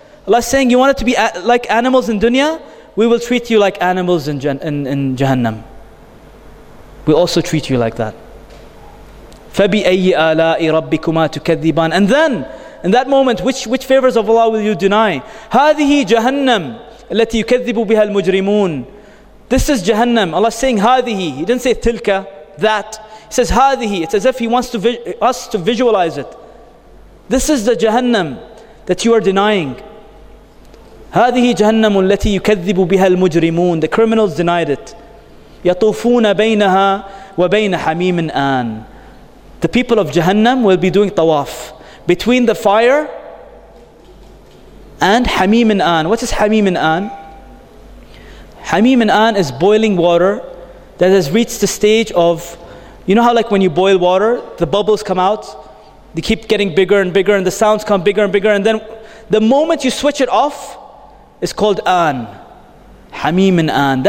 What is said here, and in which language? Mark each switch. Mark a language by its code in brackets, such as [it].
[en] Allah is saying you wanted to be like animals in dunya, we will treat you like animals in Jahannam. We'll also treat you like that. [ar] فَبِأَيِّ آلَاءِ رَبِّكُمَا تُكَذِّبَانِ [en] And then, in that moment, which favors of Allah will you deny? [ar] هَذِهِ جَهَنَّمْ الَّتِي يُكَذِّبُ بِهَا الْمُجْرِمُونَ [en] This is Jahannam. Allah is saying, هَذِهِ He didn't say tilka, that. He says, هَذِهِ It's as if He wants us to visualize it. This is the Jahannam that you are denying. [ar] هَذِهِ جَهَنَّمُ الَّتِي يُكَذِّبُ بِهَا الْمُجْرِمُونَ [en] The criminals denied it. [ar] يَطُوفُونَ بَيْنَهَا وَبَيْنَ حَمِيمٍ آن [en] The people of Jahannam will be doing tawaf. Between the fire and Hamim and An. What is Hamim and An? Hamim and An is boiling water that has reached the stage of, you know how like when you boil water, the bubbles come out, they keep getting bigger and bigger and the sounds come bigger and bigger and then the moment you switch it off, it's called An. Hamim and An.